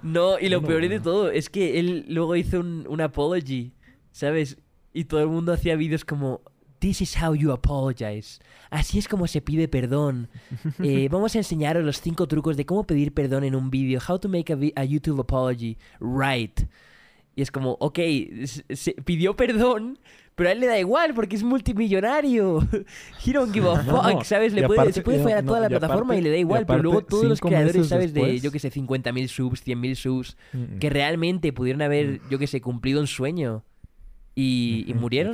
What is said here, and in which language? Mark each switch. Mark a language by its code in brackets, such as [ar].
[es] No, y lo peor de todo es que él luego hizo un apology, ¿sabes? Y todo el mundo hacía vídeos como [en] "This is how you apologize". [es] Así es como se pide perdón. Vamos a enseñaros los 5 trucos de cómo pedir perdón en un vídeo. [en] How to make a YouTube apology right. [es] Y es como, ok, se pidió perdón, pero a él le da igual porque es multimillonario. [en] He don't give a fuck, [es] no, ¿sabes? Le puede, aparte, se puede fallar a toda la plataforma y le da igual. Aparte, pero luego todos los creadores, ¿sabes? Después... De, yo que sé, 50.000 subs, 100.000 subs, que realmente pudieron haber, yo que sé, cumplido un sueño. Y murieron